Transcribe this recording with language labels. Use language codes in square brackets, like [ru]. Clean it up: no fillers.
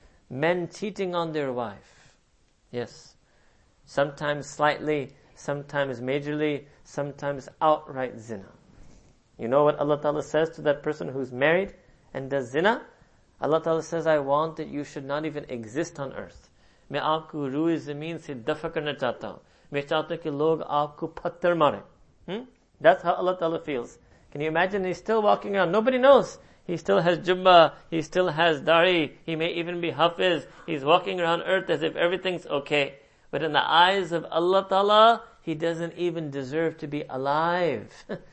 [en] Men cheating on their wife. Yes. Sometimes slightly, sometimes majorly, sometimes outright zina. You know what Allah Ta'ala says to that person who's married and does zina? Allah Ta'ala says, I want that you should not even exist on earth. [ur] میں آپکو روح زمین سے دفع کرنا چاہتا ہو۔ میں چاہتا ہو کی لوگ آپکو پتھر مارے۔ [en] That's how Allah Ta'ala feels. Can you imagine? He's still walking around. Nobody knows. He still has jubba. He still has dari. He may even be hafiz. He's walking around earth as if everything's okay. But in the eyes of Allah Ta'ala, he doesn't even deserve to be alive.